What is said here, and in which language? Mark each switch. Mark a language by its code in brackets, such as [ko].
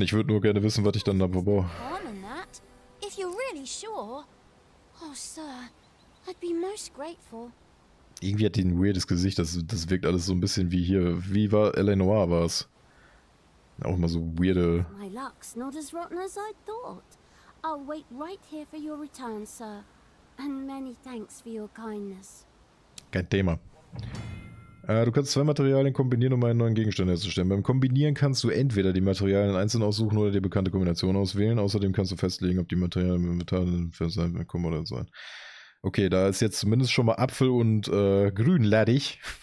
[de] Ich würde nur gerne wissen, was ich dann da brauche. [en] If you're really sure. Oh, sir, I'd be most grateful. [de] Irgendwie hat die ein weirdes Gesicht, das wirkt alles so ein bisschen wie hier, wie war L.A. Noire war es. Auch mal so weirde. [en] My luck's not as rotten as I thought. I'll wait right here for your return, sir. And many thanks for your kindness. [de] Kein Thema. Du kannst zwei Materialien kombinieren, um einen neuen Gegenstand herzustellen. Beim Kombinieren kannst du entweder die Materialien einzeln aussuchen oder die bekannte Kombination auswählen. Außerdem kannst du festlegen, ob die Materialien im Inventar für sein Kommodell sein. Okay, da ist jetzt zumindest schon mal Apfel und grünladdig.